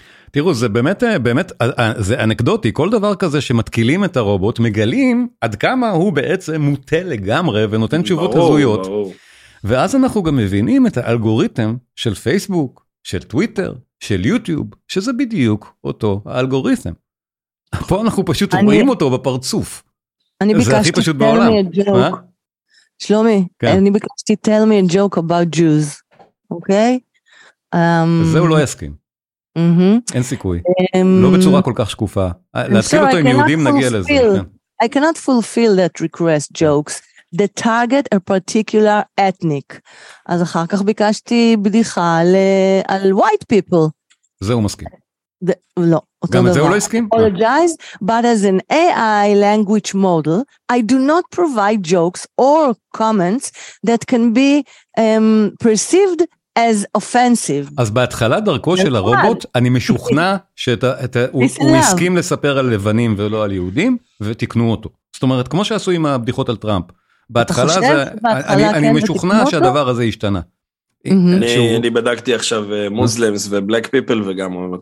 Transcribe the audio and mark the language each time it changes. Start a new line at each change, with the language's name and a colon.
Hebrew: תראו, זה באמת, באמת, זה אנקדוטי, כל דבר כזה שמתקילים את הרובוט, מגלים עד כמה הוא בעצם מוטה לגמרי, ונותן תשובות הזויות. ואז אנחנו גם מבינים את האלגוריתם של פייסבוק, של טוויטר, של יוטיוב, שזה בדיוק אותו האלגוריתם. פה אנחנו פשוט רואים אותו בפרצוף. אני ביקשתי,
English: tell me a joke.
Hebrew: שלומי, אני ביקשתי,
English: tell me a joke about Jews,
Hebrew: אוקיי? זה הוא לא יסכים. אין סיכוי. לא בצורה כל כך שקופה. להתקיל אותו עם יהודים נגיע לזה.
English: I cannot fulfill that request jokes. The target a particular ethnic.
Hebrew: אז אחר כך ביקשתי בדיחה על white people. זה הוא מסכים. לא. גם את זה הוא לא הסכים?
English: Apologize, but as an AI language model, I do not provide jokes or comments that can be perceived as offensive.
Hebrew: אז בהתחלה דרכו של הרובוט, אני משוכנע שהוא הסכים לספר על לבנים ולא על יהודים, ותקנו אותו. זאת אומרת, כמו שעשו עם הבדיחות על טראמפ, בהתחלה אני משוכנע שהדבר הזה השתנה. אני בדקתי עכשיו מוזלמס ובלק פיפל וגם